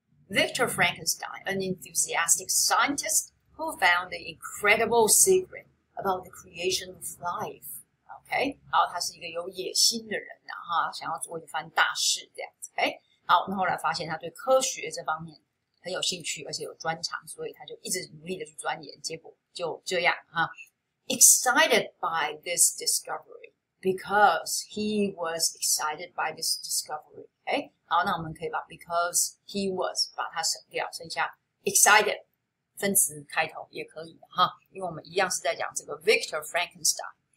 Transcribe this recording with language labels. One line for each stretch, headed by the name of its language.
English: Victor Frankenstein, an enthusiastic scientist who found the incredible secret about the creation of life.
Chinese: Okay, 好，他是一个有野心的人啊，哈，想要做一番大事这样子。 Okay, 好，那后来发现他对科学这方面很有兴趣，而且有专长，所以他就一直努力的去钻研。结果就这样哈。
English: Excited by this discovery, because he was excited by this discovery.
Chinese: Okay. 好，那我们可以把
English: because he was
Chinese: 把它省掉，剩下 excited 分词开头也可以的哈，因为我们一样是在讲这个 Victor Frankenstein.